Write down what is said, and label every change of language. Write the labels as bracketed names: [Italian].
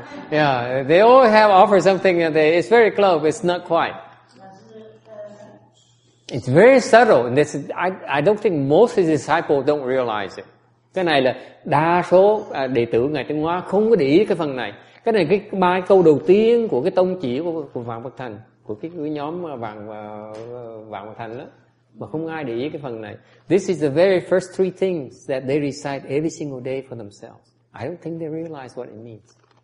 [English] Yeah, they all have offered something and they, it's very close, but it's not quite, it's very subtle. And this is, I don't think most of the disciples don't realize it. [Vietnamese] Cái này là đa số đệ tử ngài Tinh Hoa không có để ý cái phần này. Cái này cái ba câu đầu tiên của cái tông chỉ của Vạn Bậc Thành, của cái nhóm vàng thành đó, mà không ai để ý cái phần này. [English] This is the very first three things that they recite every single day for themselves. I don't think they realize what it means.